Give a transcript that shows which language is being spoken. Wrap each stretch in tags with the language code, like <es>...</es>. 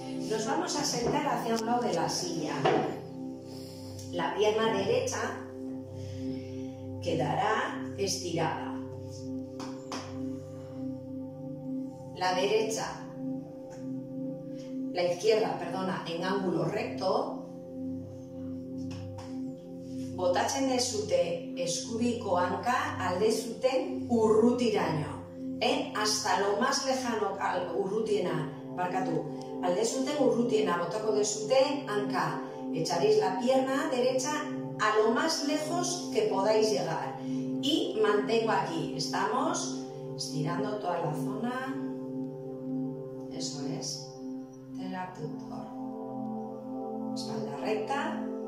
<es>Nos vamos a sentar hacia un lado de la silla. La pierna derecha quedará estirada. La derecha, la izquierda, perdona, en ángulo recto.</es> <eu>Botatzen dezute eskubiko hanka alde zuten urrutiraino.</eu> <es>Hasta lo más lejano</es> <eu>urrutiena, barkatu. Alde zuten urrutiena, botako dezute hanka.</eu> <es>Echaréis la pierna derecha a lo más lejos que podáis llegar. Y mantengo aquí. Estamos estirando toda la zona. Eso es. Del abductor. Espalda recta.</es>